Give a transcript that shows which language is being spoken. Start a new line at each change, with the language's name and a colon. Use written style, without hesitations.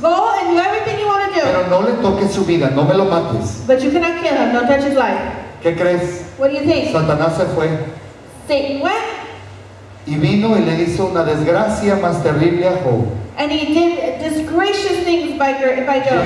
English: Go and do everything you want to do.
Spanish: Pero no le toques su vida, no me lo mates.
English: But you cannot kill him, don't touch his life.
Spanish: ¿Qué crees?
English: What do you think?
Spanish: Satanás se fue.
English: Satan went.
Spanish: Y vino y le hizo una desgracia más terrible a Job.
English: And he did disgracious things by Job.